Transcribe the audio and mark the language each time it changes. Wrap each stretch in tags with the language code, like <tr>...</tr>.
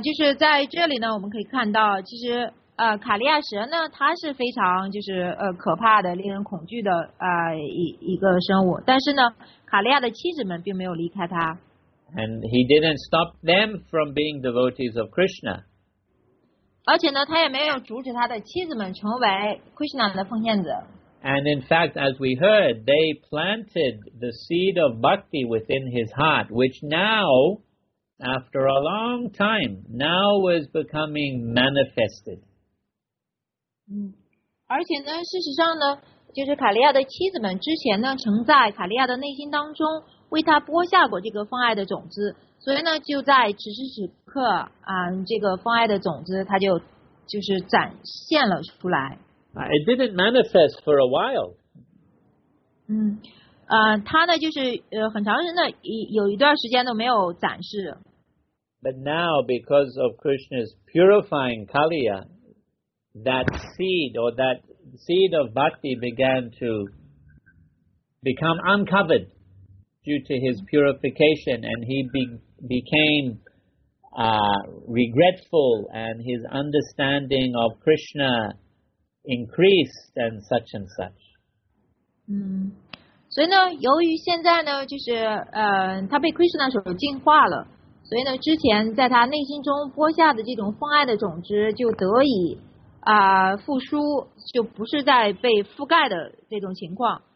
<zh>就是在这里呢，我们可以看到，其实卡利亚蛇呢，它是非常就是可怕的、令人恐惧的一个生物。但是呢，卡利亚的妻子们并没有离开他。</zh> <en>And he didn't stop them from being devotees of Krishna.</en> <zh>而且呢，他也没有阻止他的妻子们成为 Krishna 的奉献者。</zh> <en>And in fact, as we heard, they planted the seed of bhakti within his heart, which now, after a long time, now was becoming manifested.</en> <zh>而且呢，事实上呢，就是卡利亚的妻子们之前呢，曾在卡利亚的内心当中为他播下过这个方爱的种子，所以呢，就在此时此刻啊，这个方爱的种子它就是展现了出来。</zh> <en>It didn't manifest for a while.</en> <zh>它呢就是很长时间的有一段时间都没有展示。</zh> <en>But now, because of Krishna's purifying Kaliya, that seed of bhakti began to become uncovered due to his purification, and he became regretful, and his understanding of Krishna. Increased and such and such.</en> <zh>所以呢，由于现在呢，就是他被 Krishna 所净化了，所以呢，之前在他内心中播下的这种分爱的种子就得以复苏，就不是在被覆盖的这种情况。</zh>